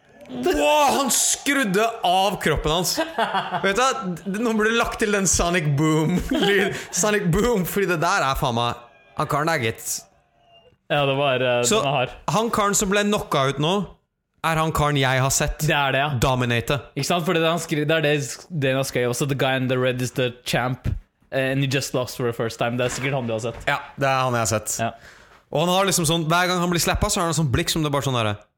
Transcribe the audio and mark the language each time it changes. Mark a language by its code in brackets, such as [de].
[no] Wow, han skrudde av kroppen hans. Vet du, nå ble det lagt til den Sonic Boom lyd. Sonic Boom, fordi det der er faen meg. Han karen er gitt. Ja, det var så, den har. Han karen som ble knocket ut nå, er han karen jeg har sett. Det er det, ja. [en] Dominate. [no] Ikke sant, for det er det han skrev også. [en] The guy in the red is the champ, and he just lost for the first time. [no] Det er sikkert han du har sett. Ja, det er han jeg har sett, ja. Og han har liksom sånn, hver gang han blir slappet, så har han en sånn blikk som det bare sånn der.